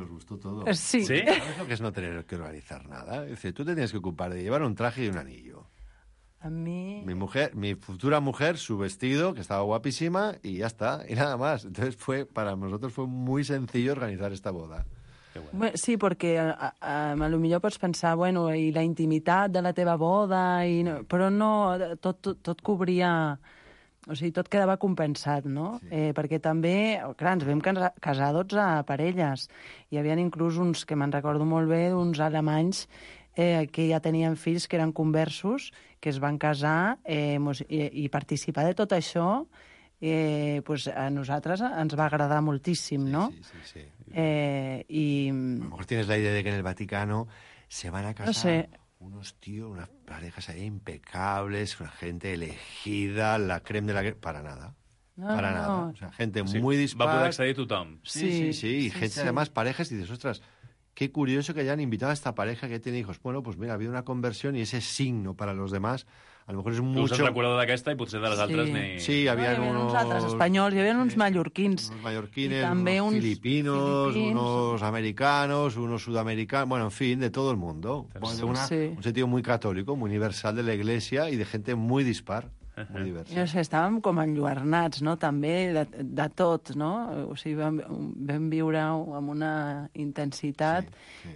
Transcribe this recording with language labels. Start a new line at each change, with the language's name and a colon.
Spanish: Nos gustó todo. Sí. ¿Sí? ¿Sabes lo que es no tener que organizar nada? Es decir, tú te tienes que ocupar de llevar un traje y un anillo. A mí... Mi mujer, mi futura mujer, su vestido, que estaba guapísima, y ya está, y nada más. Entonces fue, para nosotros fue muy sencillo organizar esta boda. Bueno.
Catalan: Sí, perquè a lo millor pots pensar, bueno, i la intimitat de la teva boda, i no, però no, tot cobria, o sigui, tot quedava compensat, no? Sí. Perquè també, clar, ens vam casar 12 parelles, hi havia inclús uns, que me'n recordo molt bé, uns alemanys que ja tenien fills, que eren conversos, que es van casar i participar de tot això...
Spanish: pues
Catalan: a nosaltres ens va agradar moltíssim, sí, no? Sí.
Spanish: A lo mejor tienes la idea de que en el Vaticano se van a casar no sé. Unos tíos, unas parejas ahí impecables, una gente elegida, la crema de la crema... Para nada. No, para nada. O sea, gente sí. Muy dispar.
Catalan: Va poder accedir tothom. Sí.
Spanish: Y gente, sí. Además, parejas, y dices, ostras, qué curioso que hayan invitado a esta pareja que tiene hijos. Bueno, pues mira, ha habido una conversión y ese signo para los demás... A lo mejor es mucho...
Catalan: Us has recordat d'aquesta i potser de les altres sí. Ni... Sí, hi havia, hi havia
Spanish: unos...
Catalan: uns altres espanyols, hi havia uns mallorquins.
Spanish: Uns mallorquines, uns filipinos, unos americanos, unos sudamericanos... Bueno, en fin, de todo el mundo. Sí. Un sentido muy católico, muy universal de la Iglesia y de gente muy dispar, muy diversa.
Catalan: No sé, estàvem com enlluernats, no?, també, de tot, no? O sigui, vam viure amb una intensitat sí.